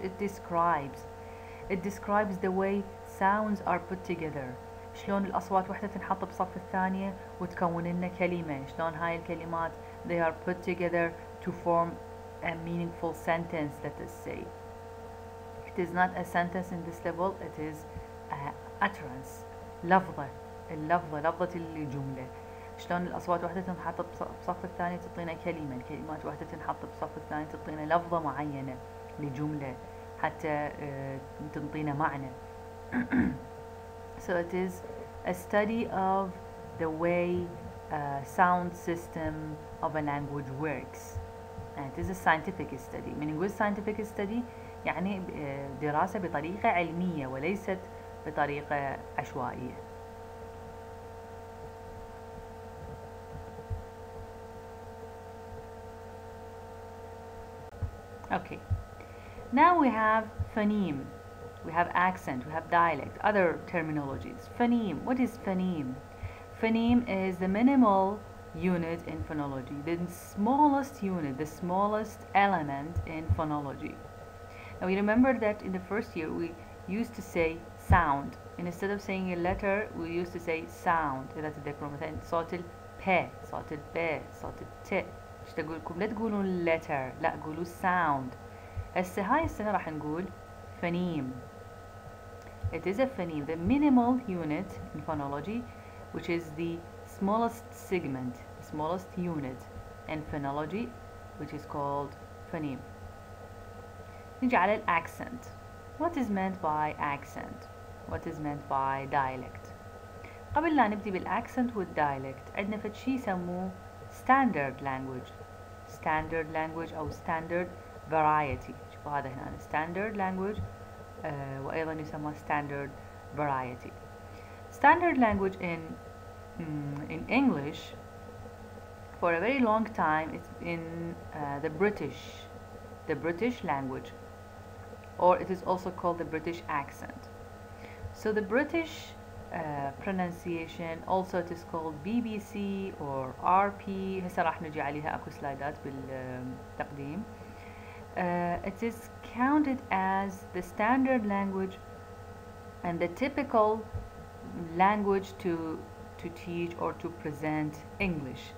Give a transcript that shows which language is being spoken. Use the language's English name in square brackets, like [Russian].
[English] It describes the way sounds are put together. [Arabic] شلون الأصوات وحدة تنحط بصف الثانية وتكون لنا كلمة. شلون هاي الكلمات [English] they are put together to form a meaningful sentence, let us say. It is not a sentence in this level, it is a utterance. [Arabic] لفظة. اللفظة, لفظة الجملة. شلون الأصوات وحدة تنحط بصف الثانية تعطينا كلمة. الكلمات وحدة تنحط بصف الثانية تعطينا لفظة معينة لجملة. حتى تنطينا معنى. [English] So it is a study of the way a sound system of a language works. And it is a scientific study. Meaning with scientific study, [Arabic] يعني دراسة بطريقة علمية وليست بطريقة عشوائية. [English] Okay. Now we have phoneme, we have accent, we have dialect, other terminologies. Phoneme, what is phoneme? Phoneme is the minimal unit in phonology, the smallest unit, the smallest element in phonology. Now we remember that in the first year we used to say sound. And instead of saying a letter, we used to say sound. That's the chromatin. [Arabic] صوت ال P, صوت ال P, صوت ال T. اشتقولكم لا تقولوا letter, لا قولوا sound. هسه هاي السنة راح نقول فنيم. [English] It is a phoneme, the minimal unit in phonology, which is the smallest segment, smallest unit in phonology, which is called phoneme. [Arabic] نجي على الأكسنت. [English] What is meant by accent? What is meant by dialect? [Arabic] قبل لا نبدي بالأكسنت والدايلكت, عندنا فد شي يسموه standard language. [English] Standard language أو standard variety. [Arabic] وهذا هنا standard language وأيضا يسمى standard variety. [English] Standard language in English for a very long time it's in the British language, or it is also called the British accent. So the British pronunciation also it is called BBC or RP. هسه راح نجي عليها, أكو سلايدات بالتقديم. It is counted as the standard language and the typical language to teach or to present English.